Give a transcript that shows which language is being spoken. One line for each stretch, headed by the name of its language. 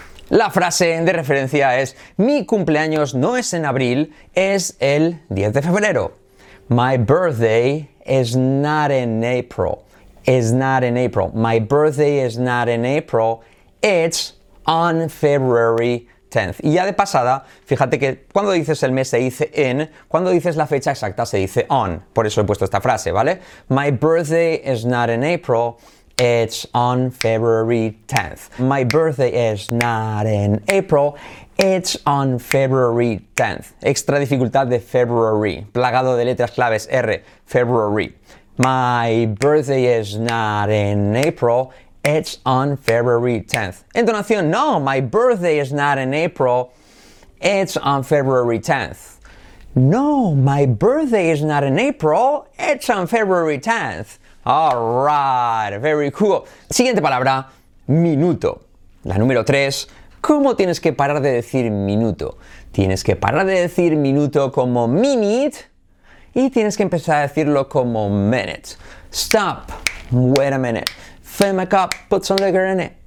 Spanish: La frase de referencia es: mi cumpleaños no es en abril, es el 10 de febrero.
English: My birthday is not in April. Is not in April. My birthday is not in April. It's on February 10th.
Spanish: Y ya de pasada, fíjate que cuando dices el mes se dice in, cuando dices la fecha exacta se dice on. Por eso he puesto esta frase, ¿vale?
English: My birthday is not in April. It's on February 10th. My birthday is not in April. It's on February 10th.
Spanish: Extra dificultad de
English: February.
Spanish: Plagado de letras claves R. February.
English: My birthday is not in April. It's on February 10th. Entonación, no. My birthday is not in April. It's on February 10th. No, my birthday is not in April. It's on February 10th. All right, very cool.
Spanish: Siguiente palabra, minuto. La número 3, ¿cómo tienes que parar de decir minuto? Tienes que parar de decir minuto como minute y tienes que empezar a decirlo como minute.
English: Stop, wait a minute. Fill my cup, put some liquor in it.